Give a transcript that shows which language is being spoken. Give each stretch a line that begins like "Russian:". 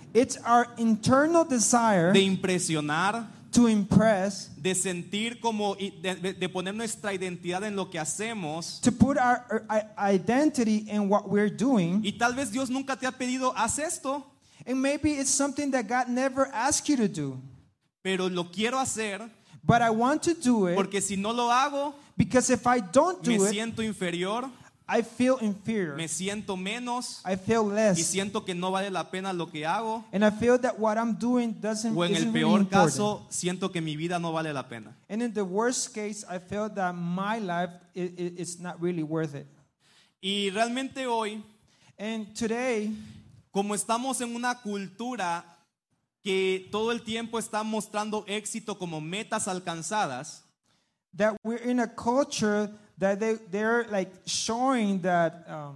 English: it's our internal desire
Spanish: de impresionar,
English: to impress,
Spanish: de sentir como de poner nuestra identidad en lo que hacemos,
English: to put our identity in what we're doing.
Spanish: Y tal vez Dios nunca te ha pedido, haz esto.
English: And maybe it's something that God never asked you to do.
Spanish: Pero lo quiero hacer.
English: But I want to do it.
Spanish: Porque si no lo hago,
English: because if I don't do
Spanish: it, me siento inferior.
English: I feel inferior.
Spanish: Me siento menos.
English: I feel less.
Spanish: Y siento que no vale la pena lo que hago.
English: And I feel that what I'm doing doesn't.
Spanish: O en el peor caso, siento que mi vida no vale la pena.
English: And in the worst case, I feel that my life is not really worth it.
Spanish: Y realmente hoy,
English: and today,
Spanish: como estamos en una cultura que todo el tiempo está mostrando éxito como metas alcanzadas,
English: that we're in a culture that they're like showing that